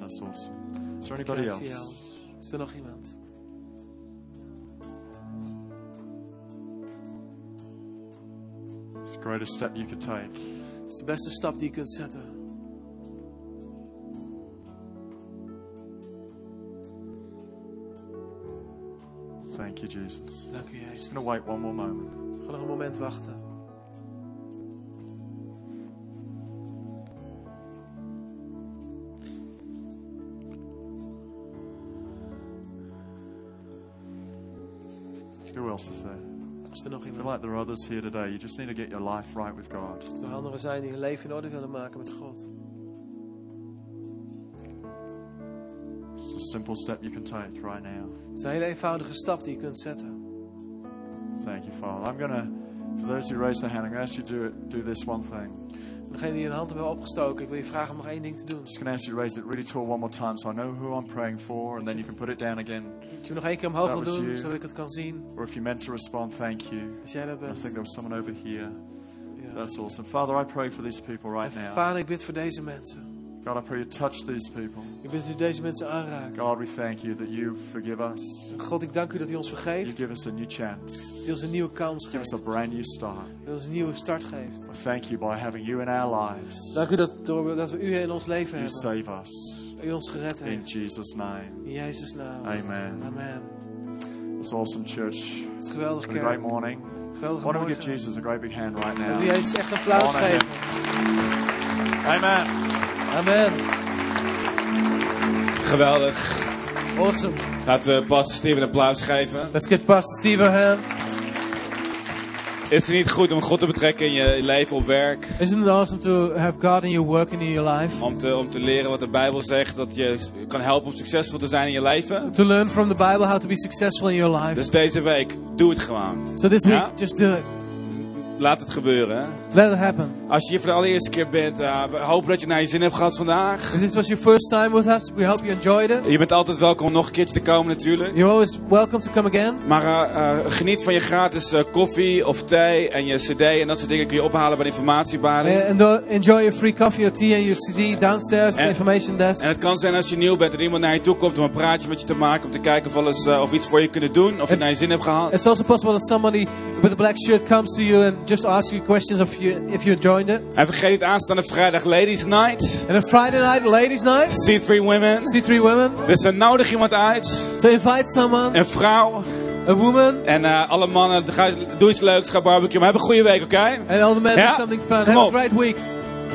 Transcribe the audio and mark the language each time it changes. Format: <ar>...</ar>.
<en>That's awesome. Is there anybody else?</en> <nl>Is er nog iemand?</nl> <en>It's the greatest step you could take.</en> <nl>Het is de beste stap die je kunt zetten.</nl> <en>Thank you, Jesus.</en> <nl>Dank u, Jezus.</nl> <en>Just gonna wait one more moment.</en> <nl>Ik ga nog een moment wachten.</nl> <en>Who else is there?</en> <nl>Is er nog iemand?</nl> <en>I feel like there are others here today. You just need to get your life right with God.</en> <nl>Er zijn anderen zijn die hun leven in orde willen maken met God.</nl> <en>Simple step you can take right now.</en> <nl>Het is een hele eenvoudige stap die je kunt zetten.</nl> <en>Thank you, Father. I'm gonna, for those who raise their hand, I'm gonna ask you to do this one thing.</en> <nl>Degene die hun hand hebben opgestoken, ik wil je vragen om nog één ding te doen.</nl> <en>Just gonna ask you to raise it really tall one more time, so I know who I'm praying for, and then you can put it down again.</en> <nl>Je nog één keer omhoog wil doen, zodat ik het kan zien.</nl> <en>Or if you meant to respond, thank you.</en> <nl>Als jij dat bent.</nl> <en>I think there was someone over here. Yeah. That's awesome, Father. I pray for these people right now.</en> <nl>Vader, ik bid voor deze mensen.</nl> <en>God, I pray you touch these people.</en> <nl>Ik bid dat u deze mensen aanraakt.</nl> <en>God, we thank you that you forgive us.</en> <nl>God, ik dank u dat u ons vergeeft.</nl> <en>You give us a new chance.</en> <nl>U ons een nieuwe kans geeft.</nl> <en>Give us a brand new start.</en> <nl>U ons een nieuwe start geeft.</nl> <en>We thank you by having you in our lives.</en> <nl>Dank u dat dat we u in ons leven</nl> <en>you</en> <nl>hebben.</nl> <en>You save us.</en> <nl>U ons gered heeft.</nl> <en>In Jesus' name.</en> <nl>In Jezus' naam.</nl> <en>Amen.</en> <nl>Amen.</nl> <en>It's awesome church.</en> <nl>Het is geweldig kerk.</nl> <en>A great morning.</en> <nl>Geweldig.</nl> <en>Why don't we give Jesus a great big hand right now?</en> <nl>Wil Jezus echt een applaus geven?</nl> <en>Amen.</en> <nl>Amen. Geweldig.</nl> <en>Awesome.</en> <nl>Laten we Pastor Steven een applaus geven.</nl> <en>Let's give Pastor Steven a hand.</en> <nl>Is het niet goed om God te betrekken in je leven op werk?</nl> <en>Isn't it awesome to have God in your work and in your life?</en> <nl>Om te leren wat de Bijbel zegt dat je kan helpen om succesvol te zijn in je leven.</nl> <en>To learn from the Bible how to be successful in your life.</en> <nl>Dus deze week, doe het gewoon.</nl> <en>So this week, just do it.</en> <nl>Laat het gebeuren.</nl> <en>Let it happen.</en> <nl>Als je hier voor de allereerste keer bent, we hopen dat je naar je zin hebt gehad vandaag.</nl> <en>If this was your first time with us, we hope you enjoyed it.</en> <nl>Je bent altijd welkom om nog een keertje te komen natuurlijk.</nl> <en>You're always welcome to come again.</en> <nl>Maar geniet van je gratis koffie of thee en je cd en dat soort dingen kun je ophalen bij de informatiebalie.</nl> <en>And enjoy your free coffee or tea and your cd downstairs at the information desk.</en> <nl>En het kan zijn als je nieuw bent dat iemand naar je toe komt om een praatje met je te maken, om te kijken of alles of iets voor je kunnen doen of je naar je zin hebt gehad.</nl> <en>It's also possible that somebody with a black shirt comes to you and just ask you questions of you if you joined it.</en> <nl>En vergeet niet, aanstaande vrijdag ladies night.</nl> <en>And a Friday night ladies night. C3 women.</en> <nl>Dus dan nodig iemand uit.</nl> <en>So invite someone.</en> <nl>Een vrouw.</nl> <en>A woman.</en> <nl>En alle mannen, doe iets leuks, ga barbecue. Maar heb een goede week, oké?</nl> <en>And all the men, do something fun. Have a great week.</en>